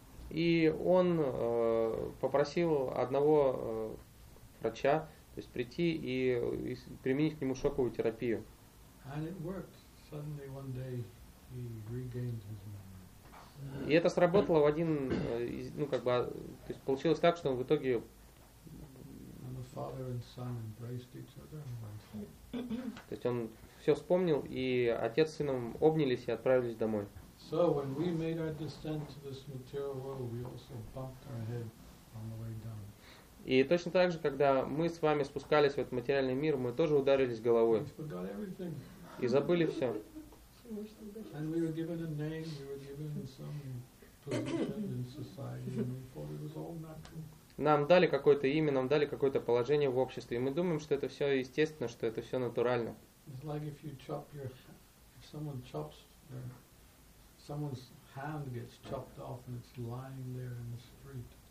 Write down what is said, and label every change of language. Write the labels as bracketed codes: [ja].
[ru] И он попросил одного врача, то есть прийти и применить к нему шоковую терапию. [en] And it worked. Suddenly one day he regained his memory. [ru] И это сработало в один, ну как бы, то есть получилось так, что он в итоге. [en] And the father and son embraced each other and went home. [ru] То есть он все вспомнил, и отец с сыном обнялись и отправились домой. [en] So when we made our descent to this material world, we also bumped our head on the way down. [ru] И точно так же, когда мы с вами спускались в этот материальный мир, мы тоже ударились головой. [en] We forgot everything. [ru] И забыли все. [en] And we were given a name, we were given some position in society, and we thought it was all natural. [ru] Нам дали какое-то имя, нам дали какое-то положение в обществе, и мы думаем, что это все естественно, что это все натурально. [en] It's like if you chop your, if someone chops their, someone's hand gets chopped off and it's lying there in the street.